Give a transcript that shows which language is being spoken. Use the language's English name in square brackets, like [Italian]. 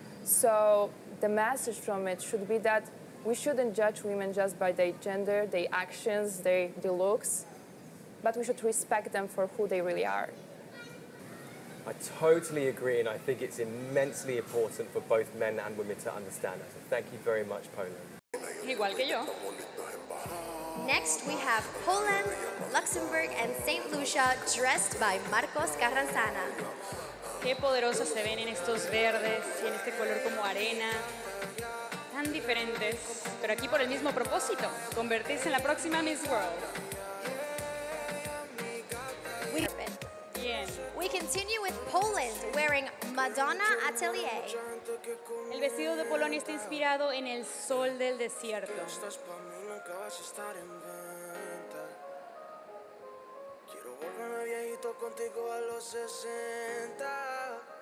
[English] So the message from it should be that we shouldn't judge women just by their gender, their actions, their looks, but we should respect them for who they really are. I totally agree, and I think it's immensely important for both men and women to understand that. So thank you very much, Poland. [Spanish] Igual que yo. [English] Next, we have Poland, Luxembourg, and St. Lucia dressed by Marcos Carranzana. [Spanish] Qué poderosos se ven en estos verdes y en este color como arena. Tan diferentes, pero aquí por el mismo propósito, convertirse en la próxima Miss World. [English] We continue with Poland wearing Madonna Atelier. [Spanish] El vestido de Polonia está inspirado en el sol del desierto. Quiero volverme viejito contigo a los 60.